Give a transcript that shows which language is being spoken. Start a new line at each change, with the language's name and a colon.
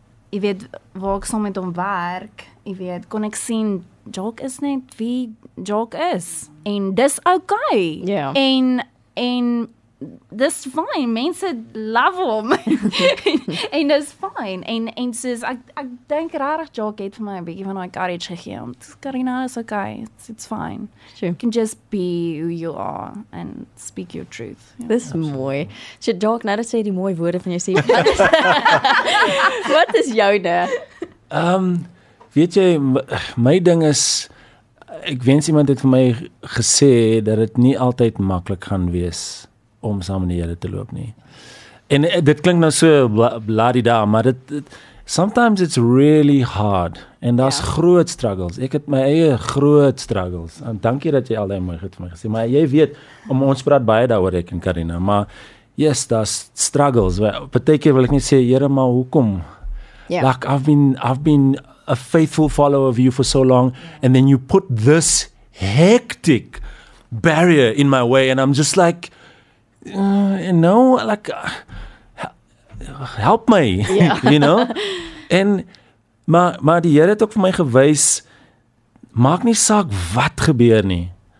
Afrikaans: jy weet, waar ek saam met hom werk, jy weet, kon ek sien, Jock is net wie Jock is, en dis okay, en dis fine, mense love hom, en dis fine, en soos, ek dink rarig Jock het vir my 'n bietjie van my courage gegee, want Karina
English: is okay, it's fine, sure. You can just be who you are, and speak your truth.
Afrikaans: Yeah. Dis mooi, so Jock, nou dat sê die mooie woorde van jou sê, wat is joune? Weet jy, my ding is, ek wens iemand het vir my gesê, dat het nie altyd maklik gaan wees, om saam met die Here te loop nie. En dit klink nou so la-di-da, maar dit,
English: sometimes it's really hard,
Afrikaans: en daar's groot struggles. Ek het my eie groot struggles, en dankie dat jy al die mooi goed vir my gesê, maar jy weet, om ons praat baie daar oor ek en Karina, maar yes, daar's struggles. Partykeer wil ek nie sê, Here, maar hoekom?
English: Yeah. Like, I've been a faithful follower of you for so long, and then you put this hectic barrier in my way, and I'm just like, help my, you know.
Afrikaans: En, maar die Here het ook vir my gewys, maak nie saak wat gebeur nie.